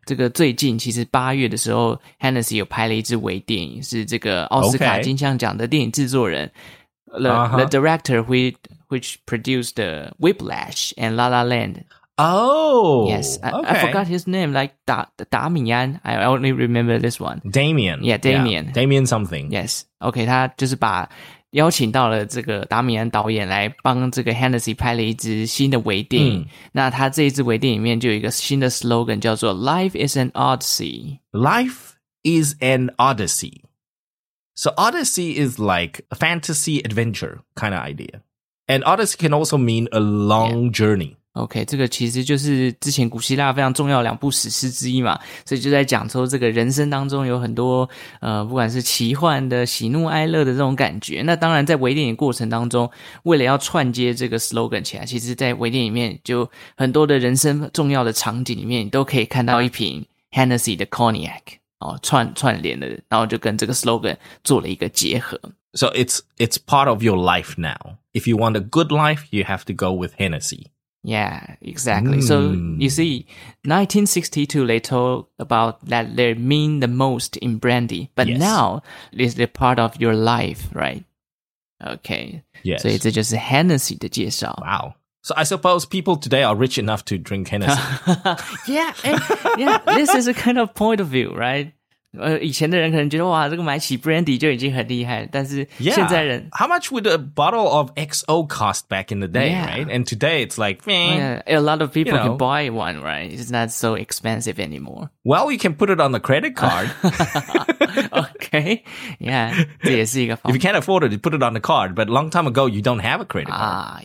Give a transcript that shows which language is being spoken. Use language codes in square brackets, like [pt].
[zh] 这个最近其实八月的时候 ,Hennessy 有拍了一支微电影，是这个奥斯卡金像奖的电影制作人。 [en] Okay. The director which produced the Whiplash and La La Land. Oh! Yes, okay. I forgot his name, like Da Mian. I only remember this one. Damien. Yeah, Damien. Yeah. Damien something. Yes. Okay, [zh] 他就是把邀请到了这个达米安导演来帮这个 Hennessy 拍了一支新的微电影。那他这一支微电影里面就有一个新的 slogan 叫做 [en] Life is an Odyssey. Life is an Odyssey. So Odyssey is like a fantasy adventure kind of idea. And Odyssey can also mean a long journey. [zh] OK, 这个其实就是之前古希腊非常重要的两部史诗之一嘛。所以就在讲说这个人生当中有很多不管是奇幻的喜怒哀乐的这种感觉。那当然在微电影过程当中，为了要串接这个 slogan 起来，其实在微电影里面就很多的人生重要的场景里面，你都可以看到一瓶 Hennessy 的 cognac, 哦，串联的，然后就跟这个 slogan 做了一个结合。 [en] So it's part of your life now. If you want a good life, you have to go with Hennessy. Yeah, exactly. So, you see, 1962, they told about that they mean the most in brandy. But now, this is a part of your life, right? Okay. Yes. [zh] 所以这就是 Hennessy 的介绍。 [en] Wow. So, I suppose people today are rich enough to drink Hennessy. yeah, this is a kind of point of view, right? [zh] 以前的人可能觉得哇，这个买起 brandy 就已经很厉害，但是现在人 [en] ，How much would a bottle of XO cost back in the day, right? And today it's like, a lot of people can buy one, right? It's not so expensive anymore. Well, you can put it on the credit card. okay, yeah, [zh] 这也是一个方法。 [en] If you can't afford it, you put it on the card. But long time ago, you don't have a credit card.